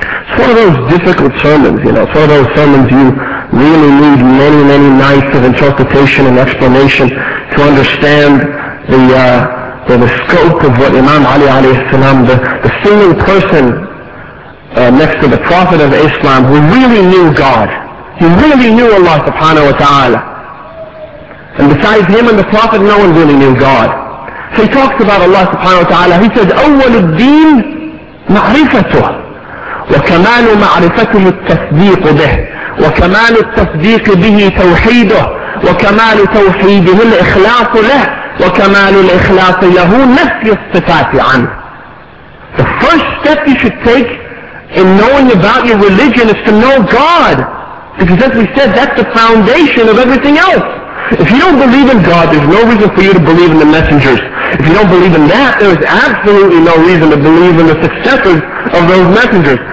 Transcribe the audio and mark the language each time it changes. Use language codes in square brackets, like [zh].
[en] It's one of those difficult sermons, you know. It's one of those sermons you really need many, many nights of interpretation and explanation to understand the scope of what Imam Ali alayhi salam, the single person next to the Prophet of Islam who really knew God. He really knew Allah subhanahu wa ta'ala. And besides him and the Prophet, no one really knew God. So he talks about Allah subhanahu wa ta'ala. He said, [ar] أول الدين معرفته وكمال معرفته التصديق به وكمال التصديق به توحيده وكمال توحيده الإخلاص له وكمال الإخلاص له نفي الصفات عنه. [en] The first step you should take in knowing about your religion is to know God. Because as we said, that's the foundation of everything else. If you don't believe in God, there's no reason for you to believe in the messengers. If you don't believe in that, there is absolutely no reason to believe in the successors of those messengers.